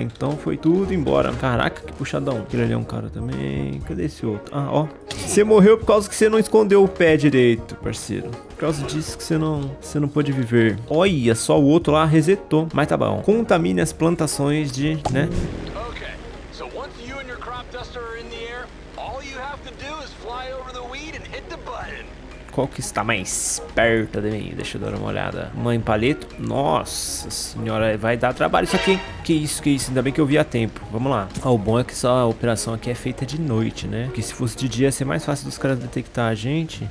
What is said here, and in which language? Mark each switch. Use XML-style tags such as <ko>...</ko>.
<pt>Então foi tudo embora. Caraca, que puxadão. Aquele ali é um cara também. Cadê esse outro? Ah, ó. Você morreu por causa que você não escondeu o pé direito, parceiro. Por causa disso que você não pôde viver. Olha, só o outro lá resetou. Mas tá bom. Contamine as plantações de... né?</pt> <en>Okay. So once you and your crop duster are in the air, all you have to do is fly over the wind. weed and hit the button.</en> <pt>Qual que está mais perto de mim? Deixa eu dar uma olhada. Mãe Palito? Nossa senhora, vai dar trabalho isso aqui. Que isso, ainda bem que eu vi a tempo. Vamos lá. Ah, o bom é que essa operação aqui é feita de noite, né? Porque se fosse de dia, ia ser mais fácil dos caras detectar a gente.</pt>